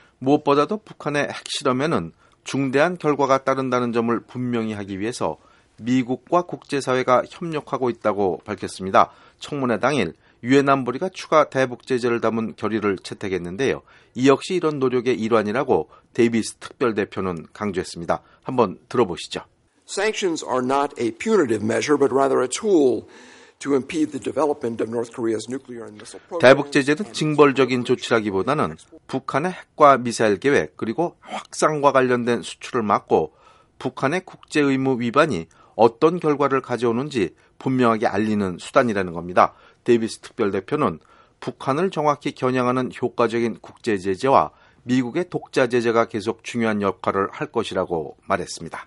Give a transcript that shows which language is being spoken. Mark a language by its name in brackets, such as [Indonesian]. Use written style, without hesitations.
[Korean] 무엇보다도 북한의 핵실험에는 중대한 결과가 따른다는 점을 분명히 하기 위해서 미국과 국제사회가 협력하고 있다고 밝혔습니다. 청문회 당일 유엔 안보리가 추가 대북 제재를 담은 결의를 채택했는데요. 이 역시 이런 노력의 일환이라고 데이비스 특별대표는 강조했습니다. 한번 들어보시죠. [English] Sanctions are not a punitive measure but rather a tool to impede the development of North Korea's nuclear and missile program. [Korean] 대북 제재는 징벌적인 조치라기보다는 북한의 핵과 미사일 계획 그리고 확산과 관련된 수출을 막고 북한의 국제 의무 위반이 어떤 결과를 가져오는지 분명하게 알리는 수단이라는 겁니다. 데이비스 특별대표는 북한을 정확히 겨냥하는 효과적인 국제제재와 미국의 독자제재가 계속 중요한 역할을 할 것이라고 말했습니다.